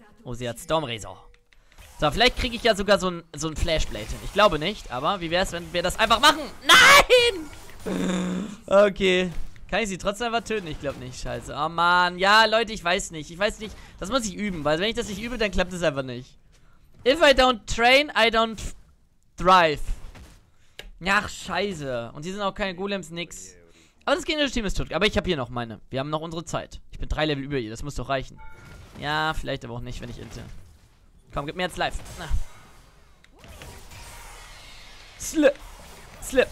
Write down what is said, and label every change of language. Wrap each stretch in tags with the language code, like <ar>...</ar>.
<de>Oh, sie hat Stormresor. So, vielleicht kriege ich ja sogar so ein Flashblade hin. Ich glaube nicht, aber wie wäre es, wenn wir das einfach machen? Nein! Okay. Kann ich sie trotzdem einfach töten? Ich glaube nicht. Scheiße. Oh, Mann. Ja, Leute, ich weiß nicht. Ich weiß nicht. Das muss ich üben, weil wenn ich das nicht übe, dann klappt es einfach nicht.</de> <en>If I don't train, I don't thrive.</en> <de>Ach, scheiße. Und die sind auch keine Golems, nix. Aber das generische Team ist tot. Aber ich habe hier noch meine. Wir haben noch unsere Zeit. Ich bin 3 Level über ihr. Das muss doch reichen. Ja, vielleicht aber auch nicht, wenn ich inte. Komm, gib mir jetzt live. Na. Slip. Slip.</de>